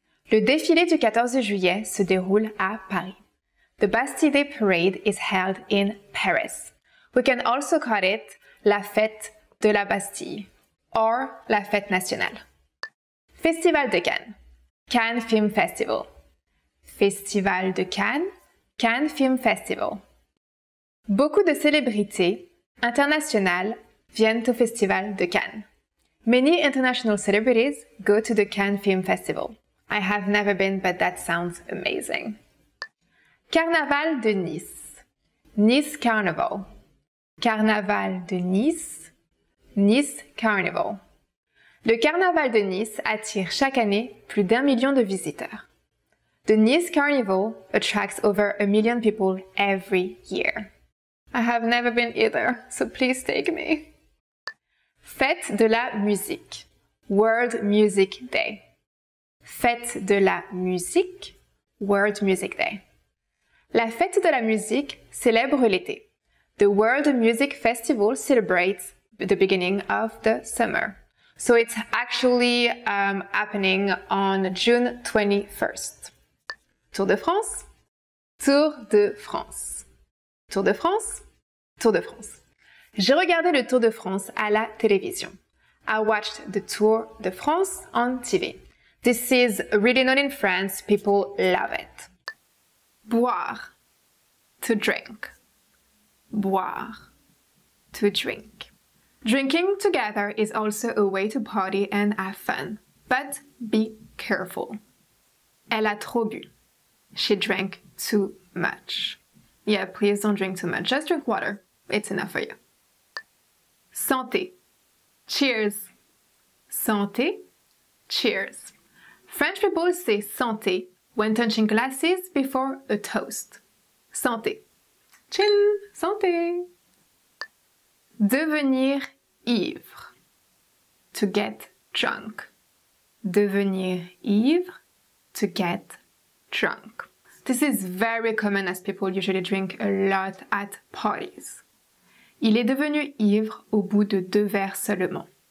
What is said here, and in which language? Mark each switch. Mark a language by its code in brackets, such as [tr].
[fr] Le défilé du 14 juillet se déroule à Paris. [en] The Bastille Day Parade is held in Paris. We can also call it La Fête de la Bastille or La Fête Nationale. [fr] Festival de Cannes, Cannes Film Festival. Festival de Cannes, Cannes Film Festival. Beaucoup de célébrités internationales viennent au Festival de Cannes. [en] Many international celebrities go to the Cannes Film Festival. I have never been, but that sounds amazing. [fr] Carnaval de Nice. Nice Carnival. Carnaval de Nice. Nice Carnival. Le Carnaval de Nice attire chaque année plus d'un million de visiteurs. [en] The Nice Carnival attracts over a million people every year. I have never been either, so please take me. [fr] Fête de la musique. [en] World Music Day. [fr] Fête de la musique. [en] World Music Day. [fr] La fête de la musique célèbre l'été. [en] The World Music Festival celebrates the beginning of the summer. So it's actually happening on June 21st. Tour de France. Tour de France. Tour de France. Tour de France. [fr] J'ai regardé le Tour de France à la télévision. [en] I watched the Tour de France on TV. This is really known in France. People love it. Boire. To drink. Boire. To drink. Drinking together is also a way to party and have fun. But be careful. [fr] Elle a trop bu. [en] She drank too much. Yeah, please don't drink too much. Just drink water. It's enough for you. Santé. Cheers. Santé. Cheers. French people say santé when touching glasses before a toast. Santé. Chin. Santé. [fr] Devenir ivre. [en] To get drunk. [fr] Devenir ivre. [en] To get drunk. This is very common as people usually drink a lot at parties. [fr] Il est devenu ivre au bout de deux verres seulement.